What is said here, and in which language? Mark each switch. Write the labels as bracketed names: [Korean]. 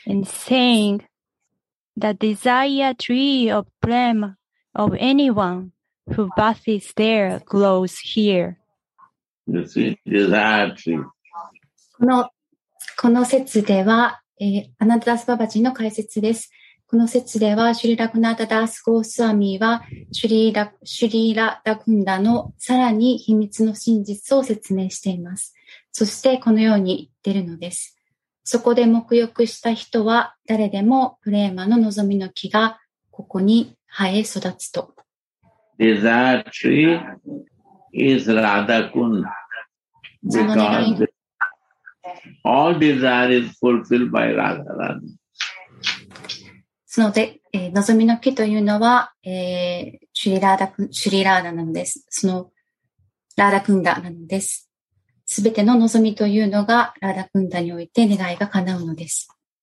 [English] And saying the desire tree of prema of anyone who bathes there glows here. You see, desire tree. [Japanese] この節では、アナダダスババジの解説です。この節では、シュリラクナダダスゴースワミは、シュリラダクンダのさらに秘密の真実を説明しています。そして、このように言っているのです。そこで沐浴した人は誰でもプレーマの望みの木がここに生え育つと。 [English] Desire tree is Radha Kunda. Because all desire is fulfilled by Radha Rani. [Japanese] そので、望みの木というのは、シュリラーダなのです。そのラーダクンダなのです。全ての望みというのがラダクンダにおいて願いが叶うのです。